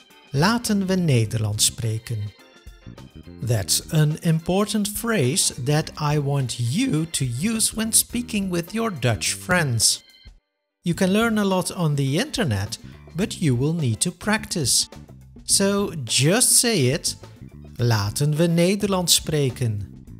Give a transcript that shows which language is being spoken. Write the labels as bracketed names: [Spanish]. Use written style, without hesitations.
[Dutch] Laten we Nederlands spreken. [English] That's an important phrase that I want you to use when speaking with your Dutch friends. You can learn a lot on the internet, but you will need to practice. So just say it, [Dutch] laten we Nederlands spreken.